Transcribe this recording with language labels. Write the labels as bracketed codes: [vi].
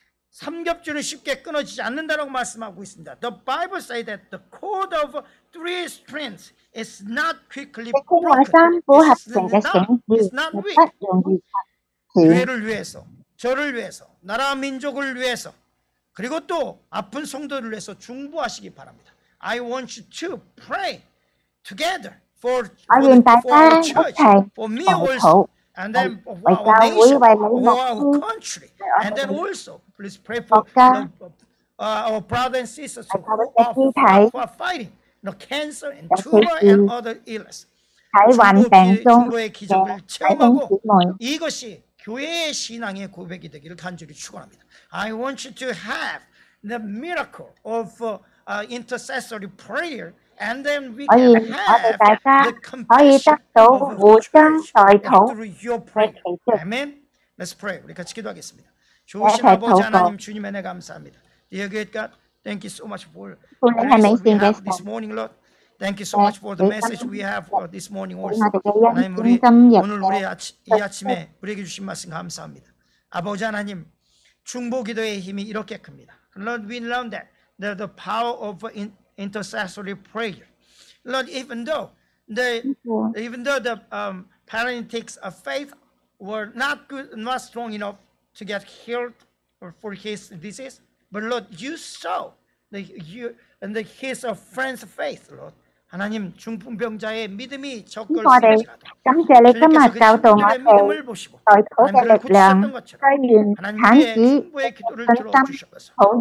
[ko] 삼겹줄은 쉽게 끊어지지 않는다라고 말씀하고 있습니다. [en] The Bible says that the cord of three strands is not quickly broken. It's not weak. [ko] 교회를 위해서, 저를 위해서, 나라 민족을 위해서, 그리고 또 아픈 성도를 위해서 중보하시기 바랍니다. [en] I want you to pray together for the church, for me also. And then for our country, and then also, please pray for our brothers and sisters who are fighting cancer and tumor and other illness. [ko] 중보의 기적을 체험하고 이것이 교회의 신앙의 고백이 되기를 간절히 축원합니다. [en] I want you to have the miracle of intercessory prayer. And then we can have the compassion of the church through your prayer. Amen. Let's pray. [ko] 우리 같이 기도하겠습니다. 좋으신 아버지 하나님 주님 은혜 감사합니다. [en] Dear God, thank you so much for this morning, Lord. Thank you so much for the message we have for this morning also. [ko] 하나님 우리 오늘 우리 이 아침에 우리에게 주신 말씀 감사합니다. 아버지 하나님 중보 기도의 힘이 이렇게 큽니다. [en] Lord, we learned that the power of intercessory prayer. Lord, even though the paralytic's faith were not strong enough to get healed for his disease, but Lord, you saw his friend's faith, Lord. [ko] 하나님 중풍병자의 믿음이 적을 수있으시라도 주님께서 그 중풍의 믿음을 보시고 하나님께서 고치셨던 것처럼 하나님의 중부의 기도를 들어주셨어서